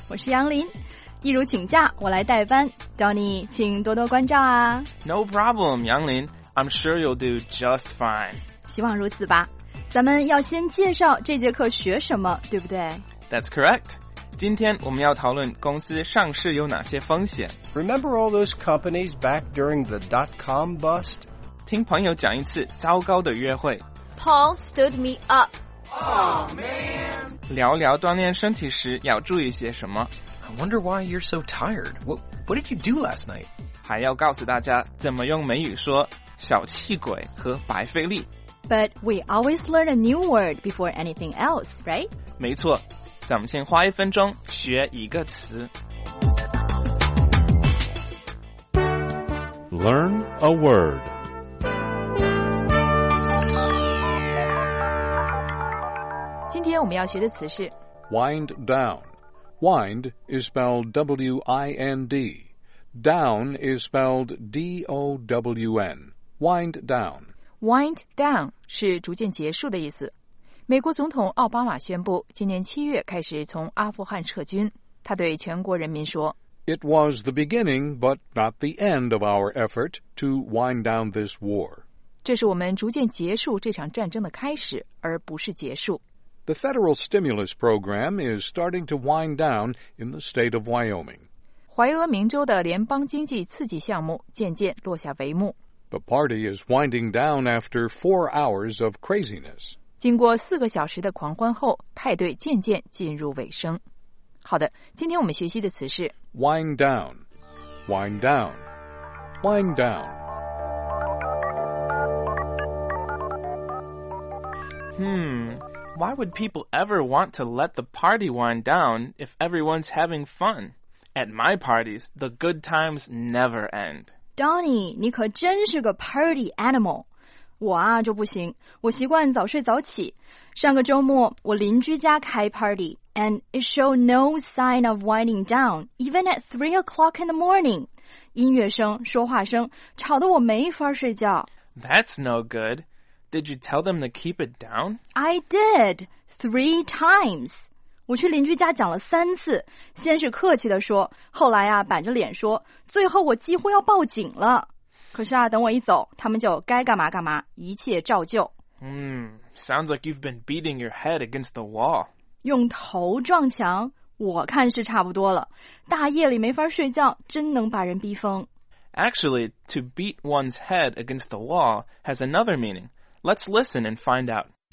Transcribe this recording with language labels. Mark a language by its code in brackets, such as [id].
[zh] 我是杨林。一如请假，我来代班。Donnie 请多多关照啊。 [en] No problem， 杨林， I'm sure you'll do just fine。 [zh] 希望如此吧。咱们要先介绍这节课学什么，对不对？ [en] That's correct。 [zh] 今天我们要讨论公司上市有哪些风险。 [en] Remember all those companies back during the dot-com bust？ [zh] 听朋友讲一次糟糕的约会。 [en] Paul stood me up. Oh man. [zh] 聊聊锻炼身体时要注意些什么。 [en] I wonder why you're so tired. What did you do last night? [zh] 还要告诉大家怎么用美语说小气鬼和白费力。 [en] But we always learn a new word before anything else, right? [zh] 没错，咱们先花一分钟学一个词。 [en] Learn a word. [zh] 今天我们要学的词是 [en] wind down. Wind is spelled W-I-N-D. Down is spelled D-O-W-N. Wind down. [zh] Wind down 是逐渐结束的意思。美国总统奥巴马宣布今年七月开始从阿富汗撤军。他对全国人民说 [en] It was the beginning but not the end of our effort to wind down this war. [zh] 这是我们逐渐结束这场战争的开始而不是结束。 [en] The federal stimulus program is starting to wind down in the state of Wyoming. [zh] 怀俄明州的联邦经济刺激项目渐渐落下帷幕。 [en] The party is winding down after 4 hours of craziness. [zh] 经过四个小时的狂欢后，派对渐渐进入尾声。好的，今天我们学习的词是 [en] wind down, wind down, wind down. Why would people ever want to let the party wind down if everyone's having fun? At my parties, the good times never end. [zh] Donnie, 你可真是个 [en] party animal. [zh] 我啊就不行，我习惯早睡早起。上个周末，我邻居家开 [en] party, and it showed no sign of winding down, even at 3 o'clock in the morning. [zh] 音乐声、说话声吵得我没法睡觉。 [en] That's no good. Did you tell them to keep it down? I did, 3 times. [zh] 我去邻居家讲了三次，先是客气地说，后来啊，板着脸说，最后我几乎要报警了。可是啊，等我一走，他们就该干嘛干嘛，一切照旧。 Sounds like you've been beating your head against the wall. 用头撞墙，我看是差不多了。大夜里没法睡觉，真能把人逼疯。 [en] Actually, to beat one's head against the wall has another meaning. Let's listen and find out.